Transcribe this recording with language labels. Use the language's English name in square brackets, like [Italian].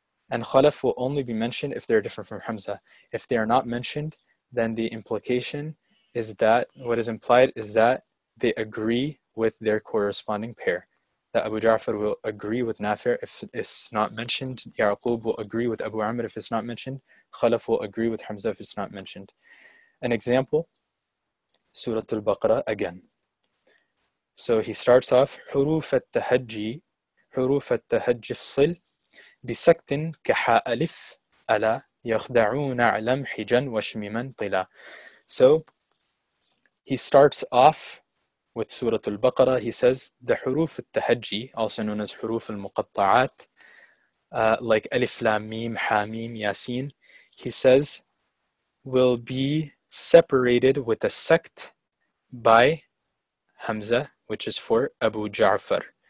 [English] And Khalaf will only be mentioned if they're different from Hamza. If they are not mentioned, then the implication is that, what is implied is that they agree with their corresponding pair. That Abu Ja'far will agree with Nafir if it's not mentioned. Ya'qub will agree with Abu Amr if it's not mentioned. Khalaf will agree with Hamza if it's not mentioned. An example, Surah Al-Baqarah again. So he starts off, [Arabic] حروف التهجي, حروف التهجي فصل بسكت كحاء ألف ألا يخدعون علم حجا وشميما طلا. [English] So he starts off with Surah Al-Baqarah. He says, the حروف التهجي, also known as حروف المقطعات, like ألف لام ميم حا ميم ياسين, he says, will be separated with a sect by Hamza, which is for Abu Ja'far.